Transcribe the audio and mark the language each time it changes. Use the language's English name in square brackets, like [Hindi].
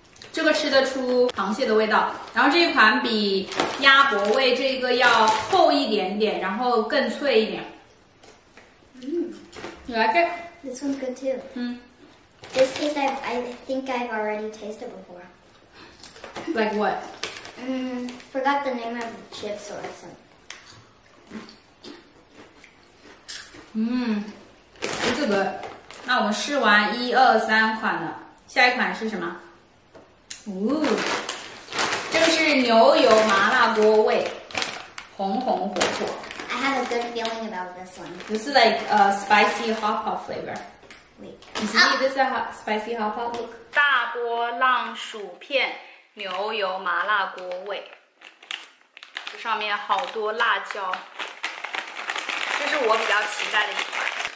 [Chinese] 这个吃得出螃蟹的味道，然后这一款比鸭脖味这个要厚一点点，然后更脆一点。 [English] You like it? This one's good too. This taste I think I've already tasted before. Like what? Forgot the name of the chips or something. It's good. [Chinese] 那我们试完一二三款了。下一款是什么？这个是牛油麻辣锅味，红红火火。 [English] I have a good feeling about this one. This is like a spicy hot pot flavor. This is a spicy hot pot look. [Chinese] 大波浪薯片牛油麻辣锅味，这上面好多辣椒，这是我比较期待的一款。